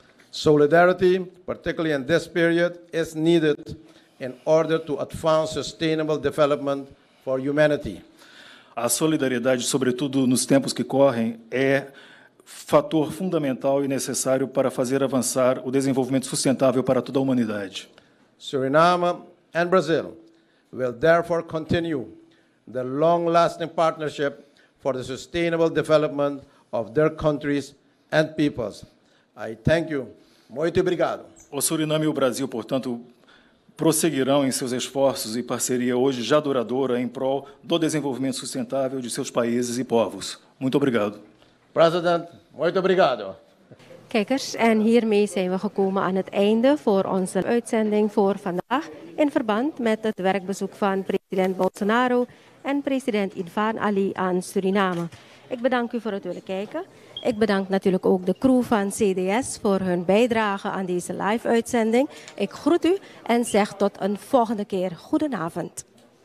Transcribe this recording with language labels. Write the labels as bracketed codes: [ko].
[en] Solidarity, particularly in this period, is needed in order to advance sustainable development for humanity. [pt] A solidariedade, sobretudo nos tempos que correm, é fator fundamental e necessário para fazer avançar o desenvolvimento sustentável para toda a humanidade. [en] Suriname and Brazil will therefore continue the long-lasting partnership for the sustainable development of their countries and peoples. I thank you. [pt] Muito obrigado. O Suriname e o Brasil, portanto, prosseguirão em seus esforços e parceria hoje já duradoura em prol do desenvolvimento sustentável de seus países e povos. Muito obrigado. President, muito obrigado. [nl] Kijkers, en hiermee zijn we gekomen aan het einde voor onze uitzending voor vandaag in verband met het werkbezoek van president Bolsonaro en president Ivan Ali aan Suriname. Ik bedank u voor het willen kijken. Ik bedank natuurlijk ook de crew van CDS voor hun bijdrage aan deze live-uitzending. Ik groet u en zeg tot een volgende keer. Goedenavond.